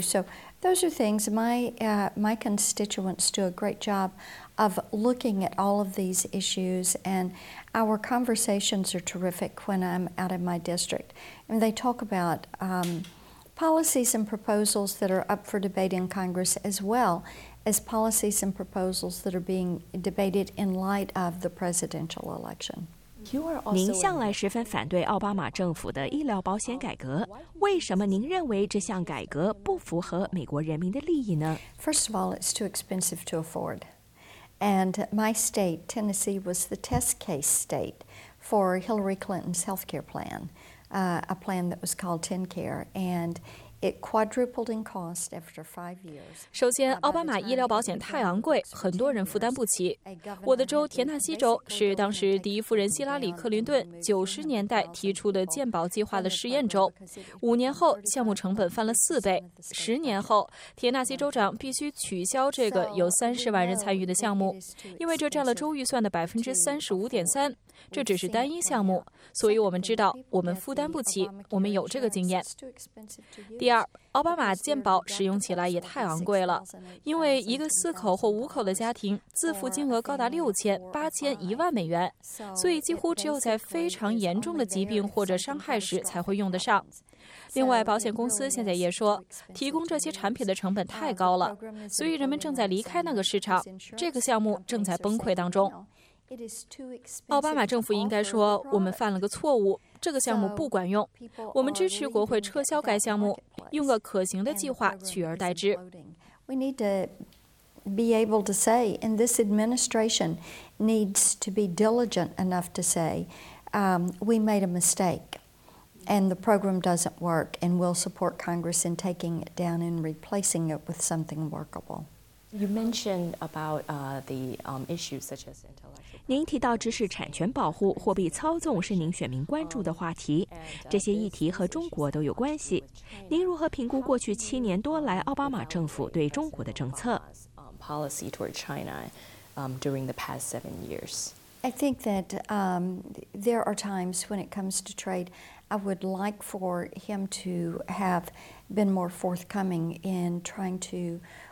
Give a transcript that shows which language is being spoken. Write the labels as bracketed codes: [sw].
[en] So those are things my constituents do a great job of looking at all of these issues, and our conversations are terrific when I'm out in my district. And they talk about policies and proposals that are up for debate in Congress as well as policies and proposals that are being debated in light of the presidential election. [zh] 您向来十分反对奥巴马政府的医疗保险改革，为什么您认为这项改革不符合美国人民的利益呢？ [en] First of all, it's too expensive to afford. And my state, Tennessee, was the test case state for Hillary Clinton's health care plan, a plan that was called TennCare. And it quadrupled in cost after 5 years. [zh] 首先，奥巴马医疗保险太昂贵，很多人负担不起。我的州田纳西州是当时第一夫人希拉里·克林顿90年代提出的健保计划的试验州。 5年后，项目成本翻了4倍。10年后，田纳西州长必须取消这个有30万人参与的项目，因为这占了州预算的35.3%。这只是单一项目，所以我们知道我们负担不起，我们有这个经验。第二，奥巴马健保使用起来也太昂贵了，因为一个4口或5口的家庭自付金额高达6000、8000、10000美元，所以几乎只有在非常严重的疾病或者伤害时才会用得上。另外，保险公司现在也说，提供这些产品的成本太高了，所以人们正在离开那个市场，这个项目正在崩溃当中。奥巴马政府应该说，我们犯了个错误，这个项目不管用。我们支持国会撤销该项目，用个可行的计划取而代之。 [en] We need to be able to say, and this administration needs to be diligent enough to say, we made a mistake, and the program doesn't work, and we'll support Congress in taking it down and replacing it with something workable. You mentioned about the issues such as intellectual. [zh] 您提到知识产权保护、货币操纵是您选民关注的话题，这些议题和中国都有关系。您如何评估过去7年多来奥巴马政府对中国的政策 [en] ？Policy toward China during the past 7 years. I think that there are times when it comes to trade, I would like for him to have been more forthcoming in trying to.